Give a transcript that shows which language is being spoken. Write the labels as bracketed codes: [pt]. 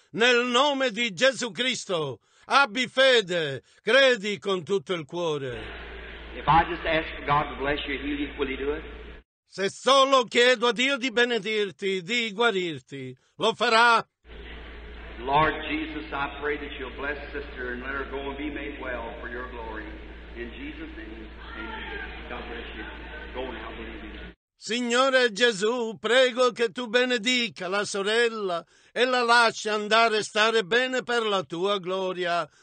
[it] Nel nome di Gesù Cristo, abbi fede, credi con tutto il cuore. [en] If I just ask God to bless you, he'll equally do it. [it] Se solo chiedo a Dio di benedirti, di guarirti, lo farà. [en] Lord Jesus, I pray that you'll bless sister and let her go and be made well for your glory. In Jesus' name, amen. God bless you. Go now, believe in you. [it] Signore Gesù, prego che tu benedica la sorella e la lasci andare e stare bene per la tua gloria.